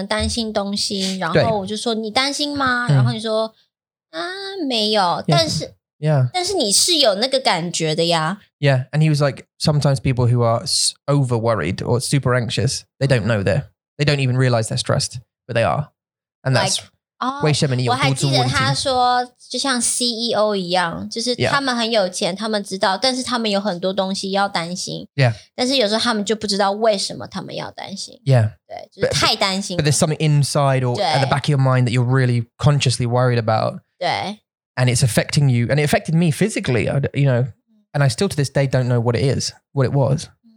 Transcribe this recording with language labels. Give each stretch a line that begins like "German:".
Chinese: 他说你可能担心东西，然后我就说你担心吗？然后你说啊没有，
English: yeah.
Chinese: 但是你是有那个感觉的呀。
English: Yeah, and he was like, sometimes people who are over worried or super anxious, they don't know they don't even realize they're stressed, but they are, and that's. Like,
Chinese: Oh, 我还记得他说，就像 CEO 一样，就是他们很有钱，
English: yeah.
Chinese: 他们知道，但是他们有很多东西要担心。但是有时候他们就不知道为什么他们要担心。对，就是太担心。
English: But there's something inside or at the back of your mind that you're really consciously worried about.
Chinese: 对。And
English: it's affecting you, and it affected me physically. You know, and I still to this day don't know what it is, what it was.